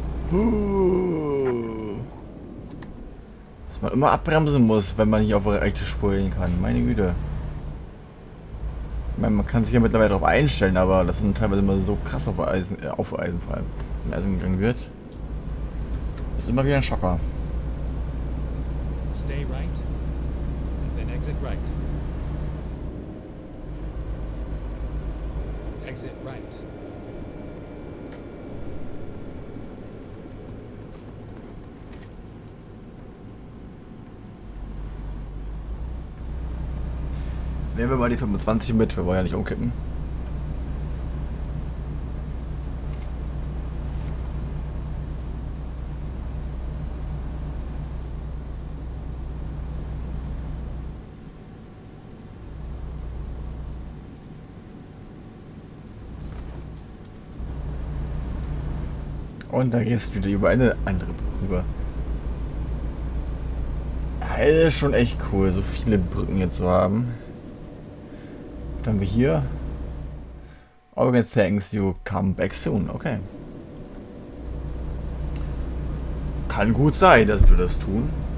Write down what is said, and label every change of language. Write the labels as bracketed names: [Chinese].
[German] Dass man immer abbremsen muss, wenn man hier auf eine rechte Spur gehen kann. Meine Güte. Ich meine, man kann sich ja mittlerweile darauf einstellen, aber das sind teilweise immer so krass auf Eisen vor allem, wenn Eisen gegangen wird. Das ist immer wieder ein Schocker. [English] Stay right and then exit right. Exit right. [German] Nehmen wir mal die 25 mit, wir wollen ja nicht umkippen. Und da geht es wieder über eine andere Brücke rüber. Das ist schon echt cool, so viele Brücken hier zu haben. Dann wir hier. [English] Organ thanks, you come back soon. Okay. [German] Kann gut sein, dass wir das tun.